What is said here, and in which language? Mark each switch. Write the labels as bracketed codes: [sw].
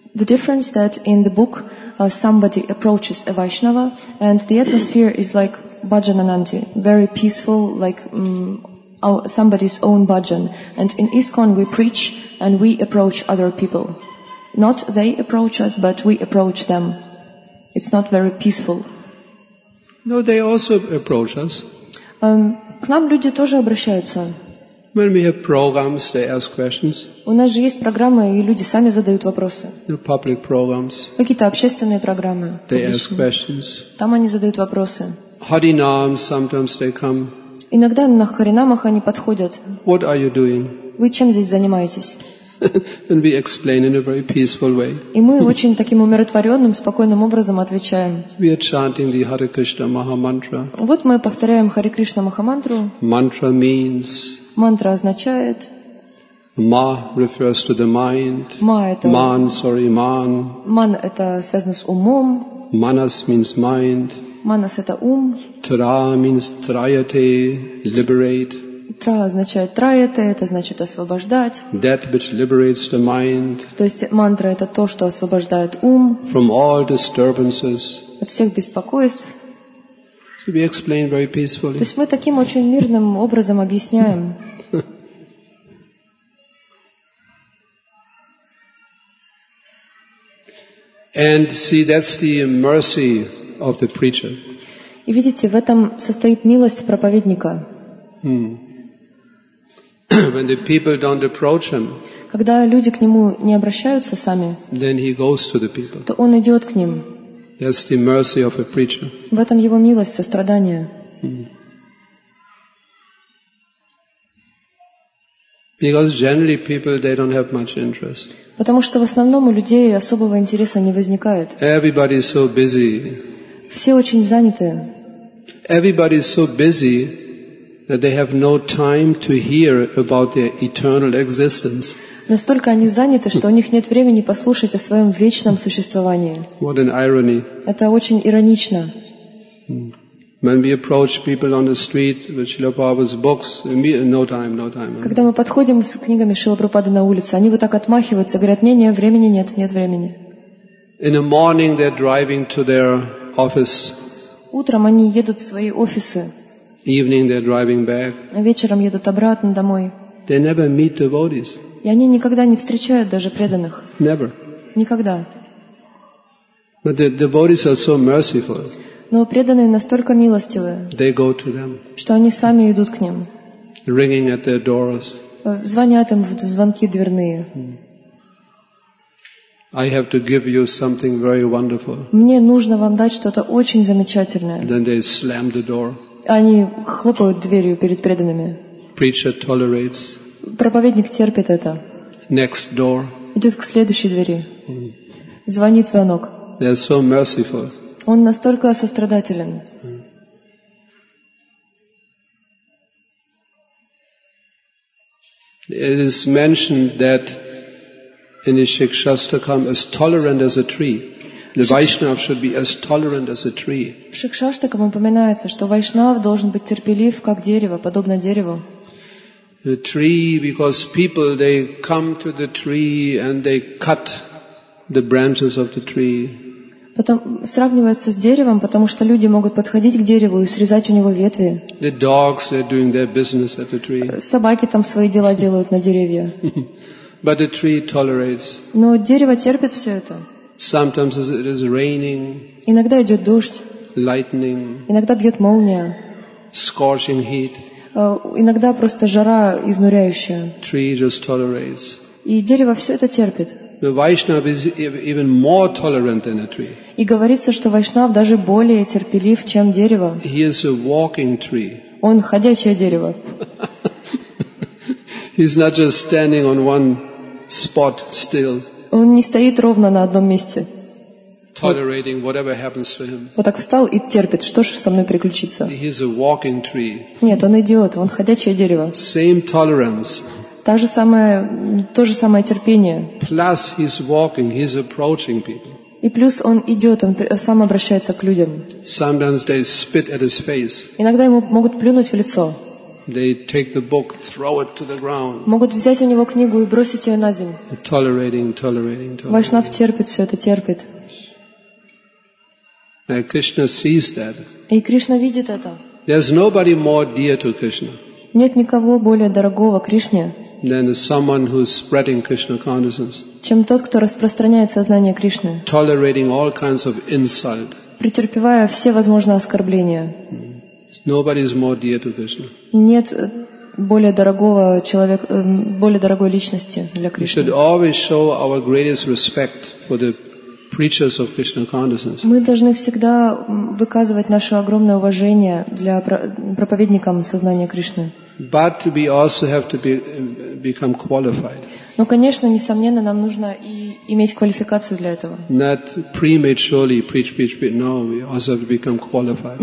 [en] The difference that in the book, somebody approaches a Vaishnava, and the atmosphere is like bhajan ananti, very peaceful, like somebody's own bhajan. And in ISKCON, we preach and we approach other people. Not they approach us, but we approach them. It's not very peaceful. No, they also approach us. [ru] К нам люди тоже обращаются. [en] When we have programs, they ask questions. [ru] У нас же есть программы, и люди сами задают вопросы. [en] The public programs. [ru] Какие-то общественные программы. [en] They ask questions. [ru] Там они задают вопросы. [en] Харинам, sometimes they come. [ru] Иногда на харинамах они подходят. [en] What are you doing? [ru] Вы чем здесь занимаетесь? [en] And we explain in a very peaceful way. [ru] И мы очень таким умиротворенным, спокойным образом отвечаем. [en] We are chanting the Hare Krishna Maha Mantra. [ru] Вот мы повторяем Hare Krishna Maha Mantra. [en] Mantra means [ru] Мантра означает. [en] Ma refers to the mind. [ru] Ma это. [en] Man, sorry, man. [ru] Man это связано с умом. [en] Manas means mind. [ru] Manas это ум. [en] Tra means triate, liberate. [ru] Tra означает триете, это значит освобождать. [en] That which liberates the mind. [ru] То есть мантра это то, что освобождает ум. [en] From all disturbances. [ru] От всех беспокойств. [en] So we explain very peacefully. [ru] То есть мы таким очень мирным образом объясняем. [en] And see, that's the mercy of the preacher. [ru] И видите, в этом состоит милость проповедника. [en] When the people don't approach him, [ru] когда люди к нему не обращаются сами, [en] then he goes to the people. [ru] То он идет к ним. [en] That's the mercy of a preacher. [ru] В этом его милость, сострадание. [en] Because generally people they don't have much interest. [ru] Потому что в основном у людей особого интереса не возникает. [en] Everybody is so busy. [ru] Все очень заняты. [en] Everybody is so busy that they have no time to hear about their eternal existence. [ru] Настолько они заняты, что у них нет времени послушать о своем вечном существовании. [en] What an irony. [ru] Это очень иронично. [en] When we approach people on the street with Srila Prabhupada's books, no time. [ru] Когда мы подходим с книгами Шрилы Прабхупады на улице, они вот так отмахиваются, говорят: "Не, времени нет, нет времени". [en] In the morning they're driving to their office. [ru] Утром они едут в свои офисы. [en] Evening they're driving back. [ru] Вечером едут обратно домой. [en] They never meet devotees. [ru] И они никогда не встречают даже преданных. [en] Never. [ru] Никогда. [en] But the devotees are so merciful. [ru] Но преданные настолько милостивы, [en] they go to them, [ru] что они сами идут к ним. [en] Ringing at their doors. [ru] Звонят им в звонки дверные. [en] I have to give you something very wonderful. [ru] Мне нужно вам дать что-то очень замечательное. [en] Then they slam the door. [ru] Они хлопают дверью перед преданными. [en] Preacher tolerates. [ru] Проповедник терпит это. [en] Next door. [ru] Идет к следующей двери. Звонит звонок. [en] They are so merciful. [ru] Он настолько сострадателен. [en] It is mentioned that in the Shikshastakam, as tolerant as a tree, the Vaishnav should be as tolerant as a tree. [ru] В Шикшаштакам упоминается, что Вайшнав должен быть терпелив, как дерево, подобно дереву. [en] The tree, because people they come to the tree and they cut the branches of the tree. [ru] Потом сравнивается с деревом, потому что люди могут подходить к дереву и срезать у него ветви. [en] The dogs, they're doing their business at the tree. [ru] Собаки там свои дела делают на деревья. [en] But the tree tolerates. [ru] Но дерево терпит все это. [en] Sometimes it is raining. [ru] Иногда идет дождь. [en] Lightning. [ru] Иногда бьет молния. [en] Scorching heat. [ru] Иногда просто жара изнуряющая. [en] Tree just tolerates. [ru] И дерево все это терпит. [en] The Vaishnav is even more tolerant than a tree. [ru] И говорится, что Вайшнав даже более терпелив, чем дерево. [en] He is a walking tree. [ru] Он ходячее дерево. [en] He's not just standing on one spot still. [ru] Он не стоит ровно на одном месте. [en] Tolerating whatever happens to him. [ru] Вот так встал и терпит. Что же со мной приключится? [en] He is a walking tree. [ru] Нет, он идиот. Он ходячее дерево. [en] Same tolerance. [ru] То же самое терпение. [en] Plus he's walking, he's approaching people. [ru] И плюс он идет, он сам обращается к людям. [en] Sometimes they spit at his face. [ru] Иногда ему могут плюнуть в лицо. [en] They take the book, throw it to the ground. [ru] Могут взять у него книгу и бросить ее на землю. [en] Tolerating. [ru] Вайшнав терпит все это, терпит. [en] And Krishna sees that. [ru] И Кришна видит это. [en] There's nobody more dear to Krishna. [ru] Нет никого более дорогого Кришне. [en] Than someone who's spreading Krishna consciousness. [ru] Чем тот, кто распространяет сознание Кришны. [en] Tolerating all kinds of insult. [ru] Претерпевая все возможные оскорбления. [en] Nobody is more dear to Krishna. [ru] Нет более дорогого человека, более дорогой личности для Кришны. [en] We should always show our greatest respect for the preachers of Krishna consciousness. [ru] Мы должны всегда выказывать наше огромное уважение для проповедникам сознания Кришны. [en] But we also have to become qualified. [ru] Но, конечно, несомненно, нам нужно и иметь квалификацию для этого. [en] Not prematurely preach. No, we also have to become qualified.